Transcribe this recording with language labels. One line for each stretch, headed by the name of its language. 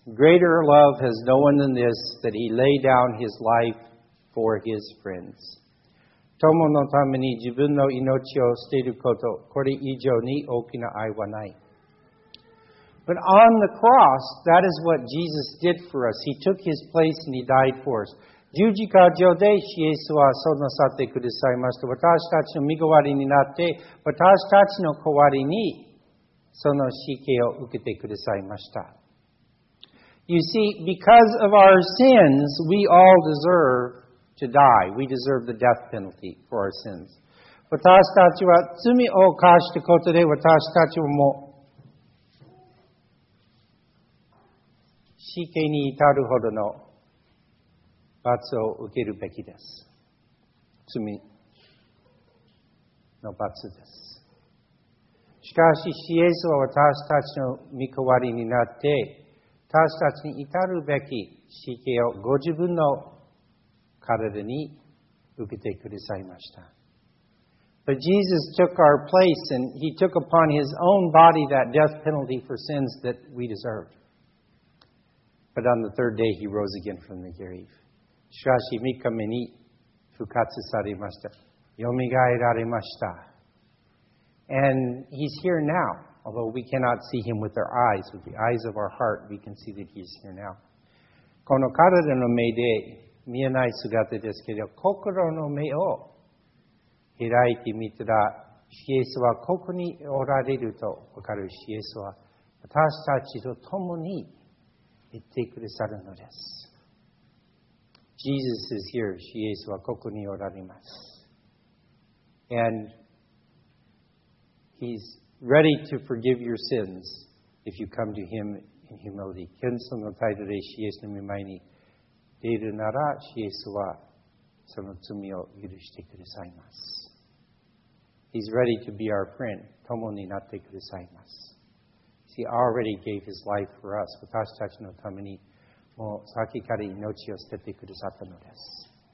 English: Greater love has no one than this, that he lay down his life for his friends.
Japanese: 友のために自分の命を捨てること、これ以上に大きな愛はない。
English: But on the cross, that is what Jesus did for us. He took his place and he died for us.
Japanese: 十字架上でイエスはそうなさってくださいました。私たちの身代わりになって、私たちの代わりにその死刑を受けてくださいました。
English: You see, because of our sins, we all deserve to die. We deserve the death penalty for our sins.
Japanese: 私たちは罪を犯したことで私たちはもう死刑に至るほどの罰を受けるべきです。罪の罰です。しかし、イエスは私たちの身代わりになって私たちに至るべき死刑をご自分の体に受けてくださいました。
English: But Jesus took our place and he took upon his own body that death penalty for sins that we deserved. But on the third day he rose again from the grave.
Japanese: しかし3日目に復活されました。よみがえられました。
English: And he's here now. Although we cannot see him with our eyes, with the eyes of our heart, we can see that he is here now.
Japanese: この体の目で見えない姿ですけど、心の目を開いてみたら、イエスはここにおられるとわかる。イエスは私たちと共にいてくださるのです。
English: Jesus is here.
Japanese: イエスはここにおられます。
English: And he'sReady to forgive your sins if you come to him in humility.
Japanese: 謙遜の態度でイエスの御前に出るなら、イエスはその罪を許してくださいます。
English: He's ready to be our friend.
Japanese: 友になってくださいます。
English: He already gave his life for us.
Japanese: 私たちのためにもう先から命を捨ててくださったのです。